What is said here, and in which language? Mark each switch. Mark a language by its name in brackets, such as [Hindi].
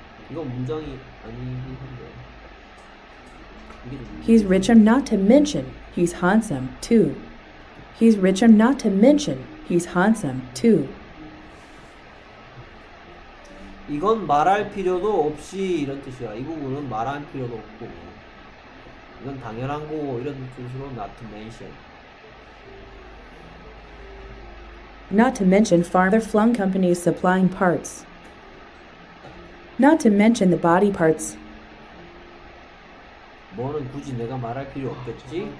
[Korean] 이건 문장이 아니긴 한데. [English] He's rich and not to mention, he's handsome too. He's rich and not to mention, he's handsome too. [Korean] 이건 말할 필요도 없이 이런 뜻이야. 이 부분은 말할 필요도 없고 이건 당연한 거고 이런 뜻으로 not to mention. [English] Not to mention farther flung companies supplying parts. Not to mention the body parts. [Korean] 뭐는 굳이 내가 말할 필요 없겠지?